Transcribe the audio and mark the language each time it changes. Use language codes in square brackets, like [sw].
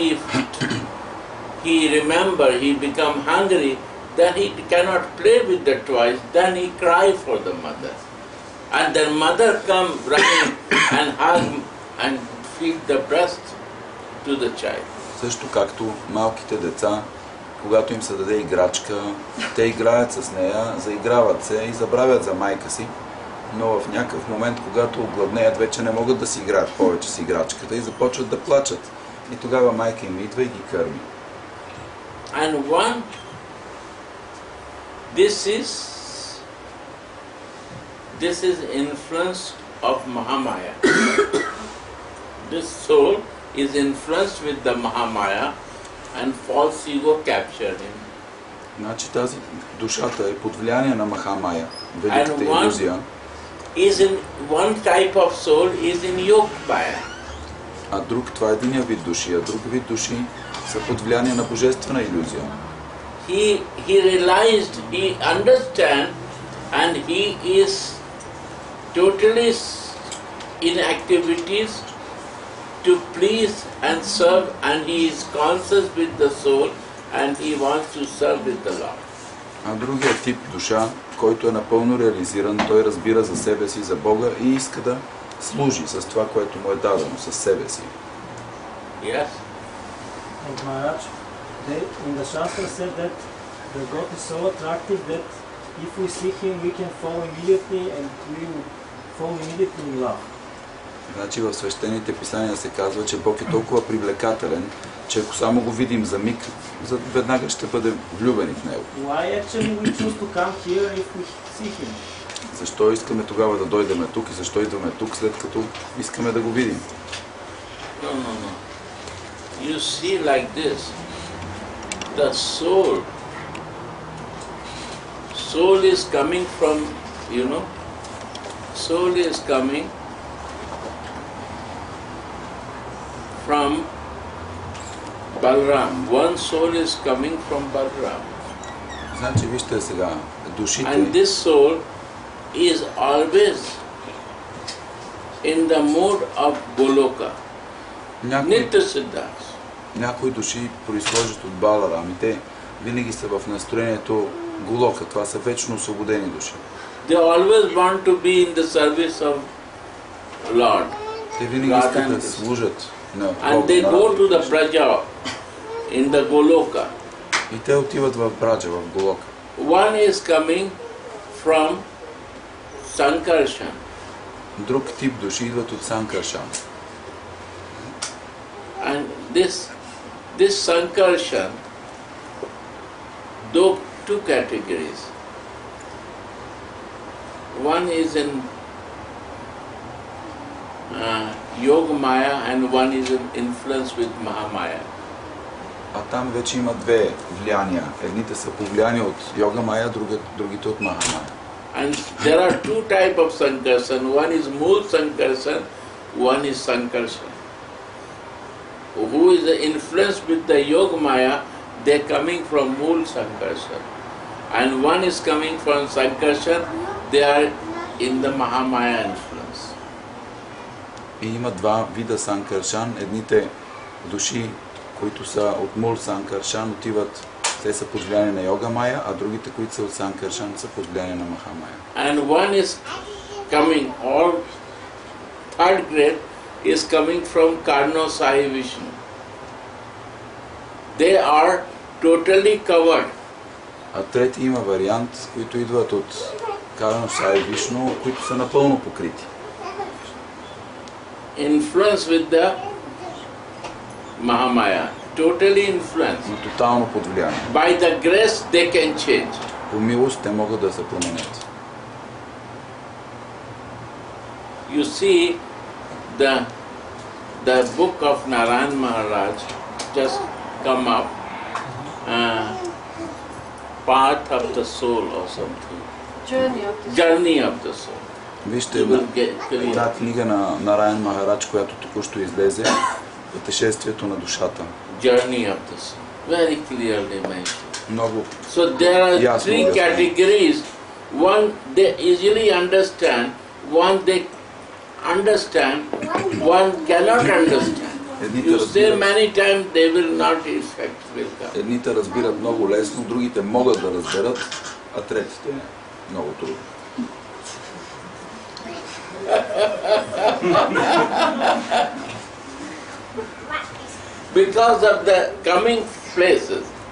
[en] When he remember, he become hungry, then he cannot play with the toys, then he cry for the mother. And the mother come running and hug and feed the breast to the child. [bg] Също както малките деца, когато им се даде играчка, те играят с нея, заиграват се и забравят за майка си, но в някакъв момент, когато огладнеят, вече не могат да си играят повече с играчката и започват да плачат. И тогава майка им идва и ги кърми. [en] And one, this is influence of Mahamaya. This soul is influenced with the Mahamaya. And false ego captured him. [bg] Значи тази душата е под влияние на Махамая, великата илюзия. [en] Is in one type of soul is in yoked by. [bg] А друг, това е единия вид души, а друг вид души са под влияние на божествена илюзия. [en] He realized, he understand, and he is totally in activities to please and serve, and he is conscious with the soul, and he wants to serve with the Lord. [bg] А другият тип душа, който е напълно реализиран, той разбира за себе си, за Бога и иска да служи с това, което му е дадено, със себе си. [en] Yes. And Maharaj, in the Shastra said that the God is so attractive that if we see Him, we can fall immediately and we will fall immediately in love. [bg] Значи в свещените писания се казва, че Бог е толкова привлекателен, че ако само го видим за миг, веднага ще бъдем влюбени в Него. [en] Why actually we choose to come here if we see Him? [bg] Защо искаме тогава да дойдем тук и защо идваме тук, след като искаме да го видим? [en] No, no, no. You see like this. The soul. Soul is coming from, you know, soul is coming from Balram. One soul is coming from Balram. [bg] Значи вижте сега, душите. [en] And this soul is always in the mood of Goloka. Nitya Siddhas. [bg] Някои души произхождат от Баларам и те винаги са в настроението Голока. Това са вечно освободени души. [en] They always want to be in the service of Lord. [bg] Те винаги искат да служат. [en] And they go to the Braja in the Goloka. [bg] И те отиват в Браджа, в Голока. [en] One is coming from Sankarshan. [bg] Друг тип души идват от Sankarshan. [en] And this Sankarshan, though two categories. One is in Yoga Maya and one is influenced with Mahamaya. [bg] А там вече има две влияния. Едните са повлияни от Йога Майя, другите от Махамая. [en] And there are two type of Sankarshan. One is Mool Sankarshan, one is Sankarshan. Who is influenced with the Yoga Maya, they are coming from Mool Sankarshan. And one is coming from Sankarshan, they are in the Mahamaya influence. [bg] И има два вида Sankarshan. Едните души, които са от Мул Sankarshan, отиват, те са под влияние на Йога Майя, а другите, които са от Sankarshan, са под влияние на Маха Майя. [en] And one is coming, all third grade is coming from Karno Sai Vishnu. They are totally covered. [bg] А трети има вариант, които идват от Karno Sai Vishnu, които са напълно покрити. [en] Influence with the Mahamaya, totally influenced. [bg] Но тотално под влияние. [en] By the grace they can change. [bg] По милост те могат да се променят. [en] You see, the book of Narayan Maharaj just come up, path of the soul or something. Journey of the soul. [bg] Вижте една книга на Нараян Махарадж, която току-що излезе, Пътешествието на душата. [en] Journey of the soul. Very clearly mentioned. [bg] Много. [en] So there are three categories. One they easily understand, one they understand, one cannot understand. You say many times they will not effect will come. [bg] Едните разбират много лесно, другите могат да разберат, а третите много трудно. [en] Because of the coming places.